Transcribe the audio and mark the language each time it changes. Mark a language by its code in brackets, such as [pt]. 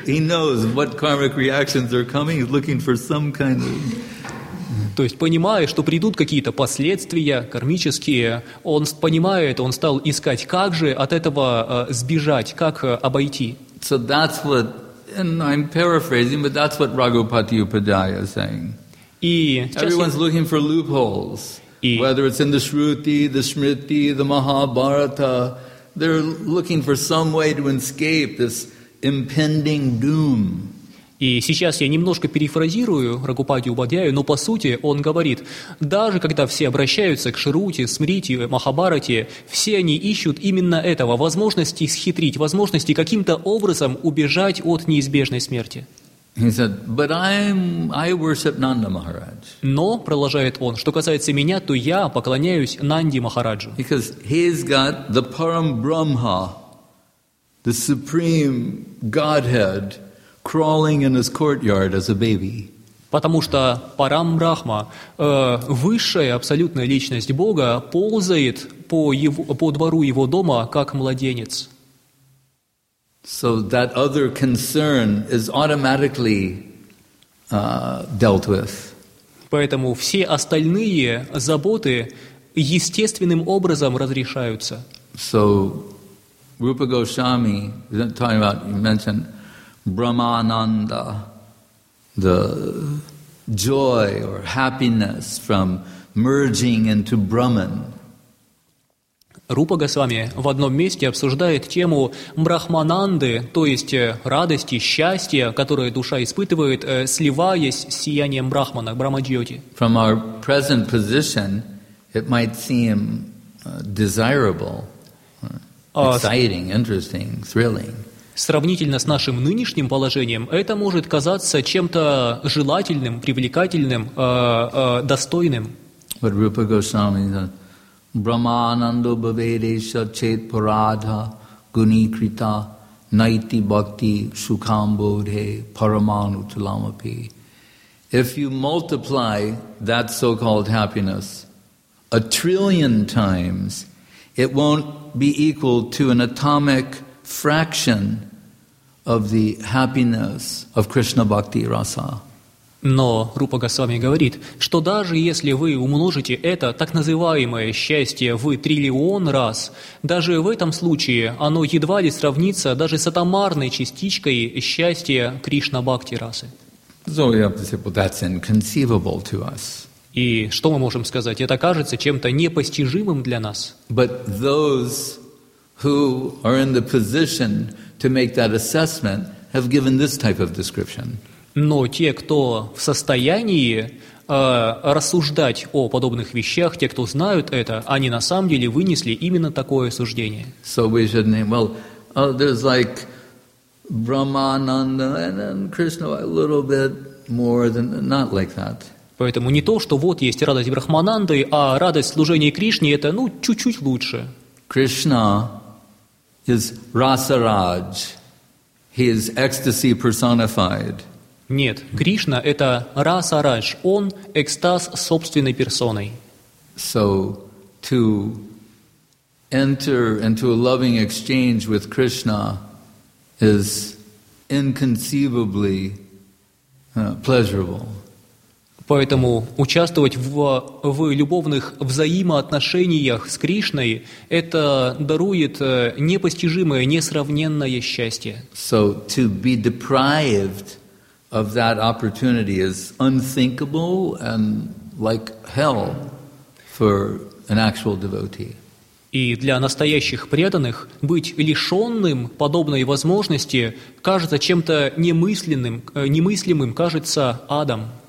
[en] He knows what karmic reactions are coming. He's looking for some kind of... [ru] То есть, понимая, что придут какие-то последствия кармические, он понимает, он стал искать, как же от этого сбежать, как обойти. [en] So that's what... And I'm paraphrasing, but that's what Raghupati Upadhyaya is saying. Everyone's looking for loopholes. Whether it's in the Shruti, the Smriti, the Mahabharata... They're looking for some way to escape this impending doom. [ru] И сейчас я немножко перефразирую Рагхупати Упадхьяю, но по сути он говорит, даже когда все обращаются к Шрути, Смрити, Махабарате, все они ищут именно этого, возможности схитрить, возможности каким-то образом убежать от неизбежной смерти. [en] He said, "But I worship Nanda Maharaj." [ru] Но продолжает он, что касается меня, то я поклоняюсь Нанди Махараджу. [en] Because he's got the Param Brahma, the supreme Godhead, crawling in his courtyard as a baby. [ru] Потому что Param Brahma, высшая абсолютная личность Бога, ползает по двору его дома как младенец. [en] So that other concern is automatically dealt with. [ru] Поэтому все остальные заботы естественным образом разрешаются. [en] So Rupa Goswami, talking about, you mentioned Brahmananda, the joy or happiness from merging into Brahman. [ru] Рупа Госвами в одном месте обсуждает тему брахмананды, то есть радости, счастья, которое душа испытывает, сливаясь с сиянием брахмана, брахма-джьоти. [en] From our present position, it might seem desirable, exciting, interesting, thrilling. [ru] Сравнительно с нашим нынешним положением, это может казаться чем-то желательным, привлекательным, достойным. [sa] But Rupa Goswami, Brahmananda bhavedesha chet paradha gunikrita naiti bhakti sukhambodhe paramanutulamapi. [en] If you multiply that so-called happiness a trillion times, it won't be equal to an atomic fraction of the happiness of Krishna bhakti rasa. [ru] Но Рупа Госвами говорит, что даже если вы умножите это так называемое счастье в триллион раз, даже в этом случае оно едва ли сравнится даже с атомарной частичкой счастья Кришна-бхакти-расы. [en] So, that's inconceivable to us. [ru] И что мы можем сказать? Это кажется чем-то непостижимым для нас. [en] But those who are in the position to make that assessment have given this type of description. [ru] Но те, кто в состоянии рассуждать о подобных вещах, те, кто знают это, они на самом деле вынесли именно такое суждение. [en] So we should name, well, oh, there's like Brahmananda and Krishna a little bit more than, not like that. [ru] Поэтому не то, что вот есть радость Брахмананды, а радость служения Кришне, это, ну, чуть-чуть лучше. [en] Krishna is Rasaraj. He is ecstasy personified. [ru] Нет, Кришна – это Расарадж, он – экстаз собственной персоной. [en] So, to enter into a loving exchange with Krishna is inconceivably pleasurable. [ru] Поэтому участвовать в любовных взаимоотношениях с Кришной – это дарует непостижимое, несравненное счастье. [en] So, to be deprived of that opportunity is unthinkable and like hell for an actual devotee. [ru] И для настоящих преданных быть лишенным подобной возможности кажется чем-то немыслимым, кажется адом.